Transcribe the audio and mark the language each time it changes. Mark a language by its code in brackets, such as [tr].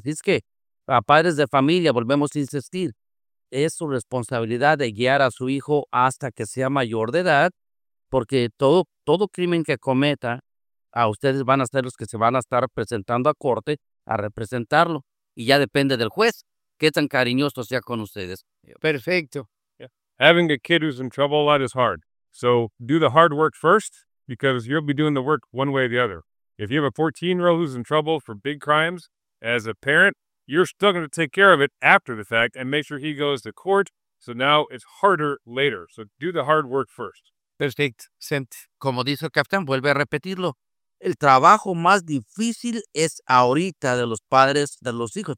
[es] Así es que a padres de familia, volvemos a insistir, es su responsabilidad de guiar a su hijo hasta que sea mayor de edad, porque todo crimen que cometa, a ustedes van a ser los que se van a estar presentando a corte a representarlo. Y ya depende del juez qué tan cariñoso sea con ustedes. Perfecto. [en] Yeah. Having a kid who's in trouble a lot is hard. So do the hard work first, because you'll be doing the work one way or the other. If you have a 14-year-old who's in trouble for big crimes, as a parent, you're still going to take care of it after the fact and make sure he goes to court. So now it's harder later. So do the hard work first. Perfect. [es] Como dice el capitán, vuelve a repetirlo. El trabajo más difícil es ahorita de los padres de los hijos.